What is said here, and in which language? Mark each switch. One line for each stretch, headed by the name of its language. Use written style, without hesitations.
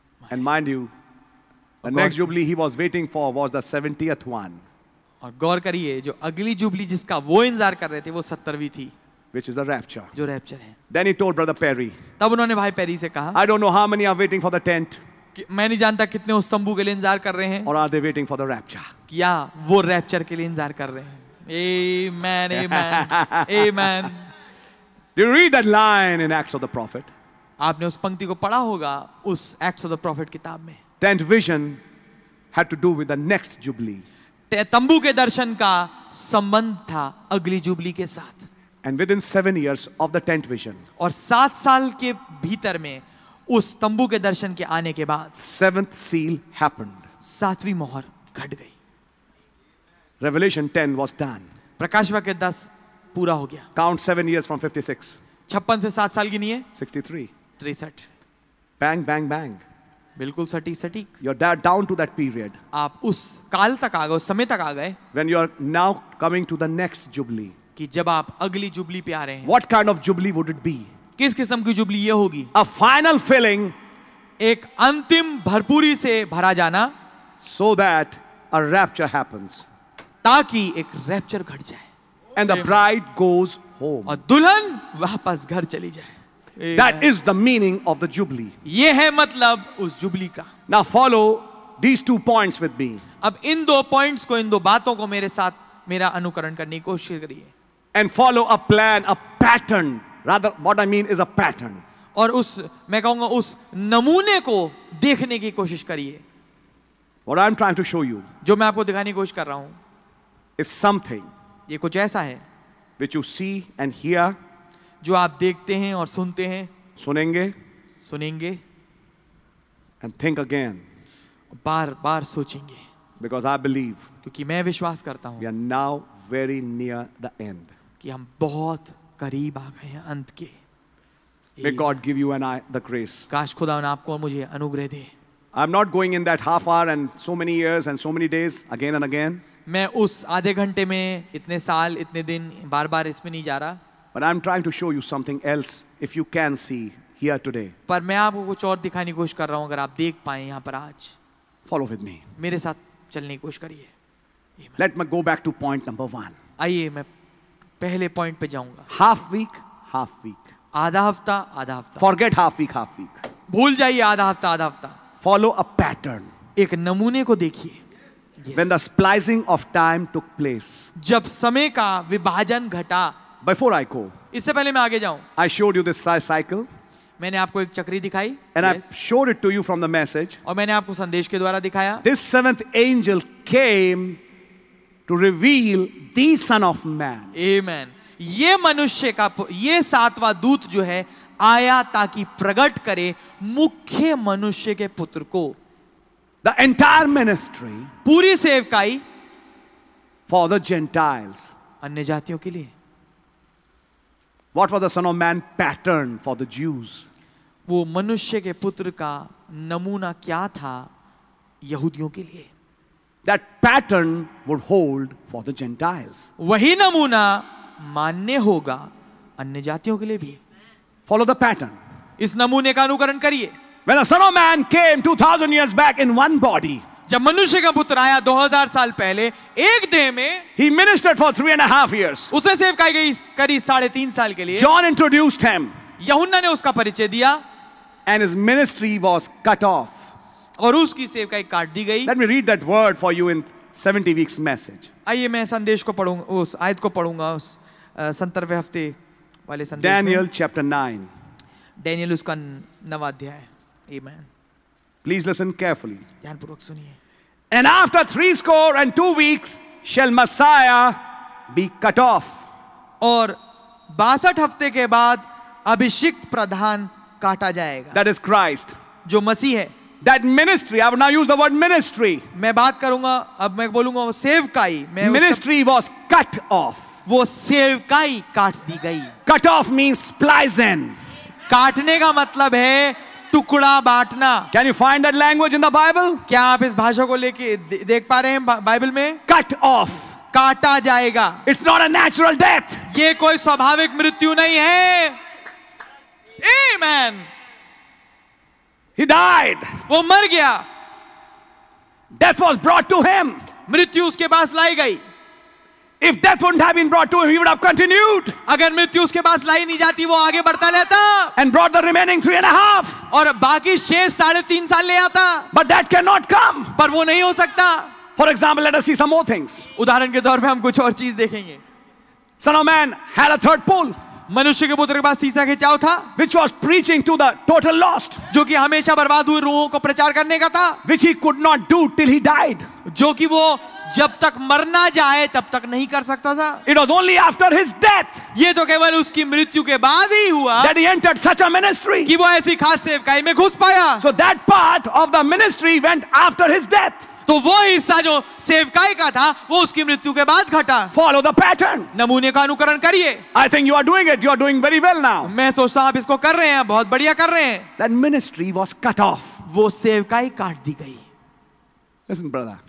English: And mind you, the next jubilee he was waiting for was the 70th one.
Hindi: और गौर करिए जो अगली jubilee जिसका वो इंतजार कर रहे थे वो 70वीं थी.
English: Which is the rapture.
Hindi: जो रैप्चर है.
English: Then he told Brother Perry.
Hindi: तब उन्होंने भाई पेरी से कहा.
English: I don't know how many are waiting for the tent.
Hindi: मैं नहीं जानता कितने उस तंबू के लिए इंतजार कर रहे हैं.
English: Or are they waiting for the rapture?
Hindi: क्या वो रैप्चर के लिए इंतजार कर रहे हैं?
English: Amen, amen, amen. Do you read that line in Acts of the Prophet?
Hindi: आपने उस पंक्ति को पढ़ा होगा उस Acts of the Prophet किताब में.
English: Tent vision had to do with the next jubilee.
Hindi: तंबू के दर्शन का संबंध था अगली जुबली के साथ.
English: And within 7 years of the tent vision.
Hindi: और 7 साल के भीतर में उस तंबू के दर्शन के आने के बाद.
English: Seventh seal happened.
Hindi: सातवीं मोहर घट गई.
English: Revelation 10 was done.
Hindi: प्रकाश वाक्य 10 पूरा हो गया.
English: Count 7 years from 56.
Hindi: 56 से 7 साल की नहीं है.
English: 63.
Hindi: 63.
English: Bang bang bang.
Hindi: बिल्कुल सटीक सटीक.
English: You are down to that period.
Hindi: आप उस काल तक आ गए, उस समय तक आ गए.
English: When you are now coming to the next jubilee.
Hindi: कि जब आप अगली जुबली पे आ रहे हैं.
English: What kind of jubilee would it be?
Hindi: किस किस्म की जुबली ये होगी?
English: A final filling,
Hindi: एक अंतिम भरपूरी से भरा जाना.
English: So that a rapture happens.
Hindi: ताकि एक रैप्चर घट जाए.
English: And the bride goes home.
Hindi: और दुल्हन वापस घर चली जाए.
English: That is the meaning of the jubilee.
Hindi: ये है मतलब उस जुबली का.
English: Now follow these two points with me.
Hindi: अब इन दो पॉइंट्स को, इन दो बातों को मेरे साथ मेरा अनुकरण करने की कोशिश करिए.
English: And follow a plan, a pattern. Rather, what I mean is a pattern.
Hindi: और उस, मैं कहूंगा उस नमूने को देखने की कोशिश करिए.
English: What I'm trying to show you.
Hindi: जो मैं आपको दिखाने की कोशिश कर रहा हूं.
English: Is something.
Hindi: ये कुछ ऐसा है.
English: Which you see and hear.
Hindi: जो आप देखते हैं और सुनते हैं. सुनेंगे. सुनेंगे.
English: And think again.
Hindi: बार बार सोचेंगे.
English: Because I believe.
Hindi: क्योंकि मैं विश्वास करता हूं.
English: We are now very near the end.
Hindi: कि हम बहुत करीब आ गए हैं अंत के.
English: May God give you and I the grace.
Hindi: काश खुदा ने आपको और मुझे अनुग्रह दे.
English: I'm not going in that half hour and so many years and so many days again and again.
Hindi: मैं उस आधे घंटे में इतने साल इतने दिन बार बार इसमें नहीं जा रहा.
English: But I'm trying to show you something else if you can see here today.
Hindi: पर मैं आपको कुछ और दिखाने की कोशिश कर रहा हूं अगर आप देख पाए यहां पर आज.
English: Follow with me.
Hindi: मेरे साथ चलने की कोशिश करिए.
English: Let me go back to point number one.
Hindi: आइए मैं पहले पॉइंट पे जाऊंगा.
English: Half week,
Hindi: आधा हफ्ता, आधा हफ्ता.
English: Forget half week,
Hindi: भूल जाइए आधा हफ्ता.
English: Follow a pattern.
Hindi: एक नमूने को देखिए.
English: Yes. When the splicing of time took place.
Hindi: जब समय का विभाजन घटा.
English: Before I go.
Hindi: इससे पहले मैं आगे जाऊं.
English: I showed you this cycle.
Hindi: मैंने आपको एक चक्री दिखाई.
English: And yes. I showed it to you from the message.
Hindi: और मैंने आपको संदेश के द्वारा दिखाया.
English: This seventh angel came. To reveal the Son of Man. Amen.
Hindi: ये मनुष्य का ये सातवां दूत जो है आया ताकि प्रकट करे मुख्य मनुष्य के पुत्र को.
English: The entire ministry.
Hindi: पूरी सेवकाई.
English: For the Gentiles.
Hindi: अन्य जातियों के लिए.
English: What was the Son of Man pattern for the Jews?
Hindi: वो मनुष्य के पुत्र का नमूना क्या था यहूदियों के लिए?
English: That pattern would hold for the Gentiles.
Hindi: वही नमूना मान्य होगा अन्य जातियों के लिए भी.
English: Follow the pattern.
Hindi: इस नमूने का अनुकरण करिए.
English: When the Son of Man came 2,000 years back in one body.
Hindi: जब मनुष्य का पुत्र आया 2,000 साल पहले एक देह में.
English: He ministered for 3.5 years.
Hindi: उसे सेवकाई गई करीब 3.5 साल के लिए.
English: John introduced him.
Hindi: यूहन्ना ने उसका परिचय दिया.
English: And his ministry was cut off.
Hindi: और उसकी सेवकाई काट दी गई.
English: Let me read that word for you in 70 weeks message.
Hindi: आइए मैं संदेश को पढ़ूंगा, उस आयत को पढ़ूंगा, उस 70वें हफ्ते वाले संदेश
English: Daniel chapter 9
Hindi: डैनियल उसका नवा अध्याय आमेन
English: please listen carefully
Hindi: ध्यानपूर्वक सुनिए
English: and after 62 weeks shall messiah be cut off
Hindi: और 62 हफ्ते के बाद अभिषिक्त प्रधान काटा जाएगा
English: that is Christ
Hindi: जो मसीह है
English: That ministry, I will now use the word ministry.
Hindi: मैं बात करूँगा अब मैं बोलूँगा वो सेवकाई मैं
English: ministry was cut off.
Hindi: वो सेवकाई काट दी गई.
English: Cut off means splicing.
Hindi: काटने का मतलब है टुकड़ा बांटना.
English: Can you find that language in the Bible?
Hindi: क्या आप इस भाषा को लेके देख पा रहे हैं Bible में?
English: Cut off.
Hindi: काटा जाएगा.
English: It's not a natural death.
Hindi: ये कोई स्वाभाविक मृत्यु नहीं है.
English: Amen. He died.
Hindi: वो मर गया.
English: Death was brought to him.
Hindi: मृत्यु उसके पास लाई गई.
English: If death wouldn't have been brought to him, he would have continued.
Hindi: अगर मृत्यु उसके पास लाई नहीं जाती, वो आगे बढ़ता रहता.
English: And brought the remaining 3.5.
Hindi: और बाकी शेष 3.5 साल ले आता.
English: But that cannot come.
Hindi: पर वो नहीं हो सकता.
English: For example, let us see some more things.
Hindi: उदाहरण के तौर पे हम कुछ और चीज़ देखेंगे.
English: Son of man had a third pull.
Hindi: मनुष्य के पुत्र के पास तीसरा खिंचाव था
English: which was preaching to the total lost,
Hindi: जो कि हमेशा बर्बाद हुए रूहों को प्रचार करने का था
English: which he could not do till he died,
Hindi: जो कि वो जब तक मरना जाए तब तक नहीं कर सकता था
English: it was only after his death,
Hindi: ये तो केवल उसकी मृत्यु के बाद ही हुआ
English: that he entered such a ministry,
Hindi: कि वो ऐसी खास सेवकाई में घुस पाया
English: so that part of the ministry went after his death,
Hindi: तो वो हिस्सा जो सेवकाई का था वो उसकी मृत्यु के बाद घटा
English: follow the pattern
Hindi: नमूने का अनुकरण करिए
English: I think you are doing it you are doing very well now
Hindi: मैं सोचता हूं आप इसको कर रहे हैं बहुत बढ़िया कर रहे हैं
English: that ministry was cut off
Hindi: वो सेवकाई काट दी गई
English: listen brother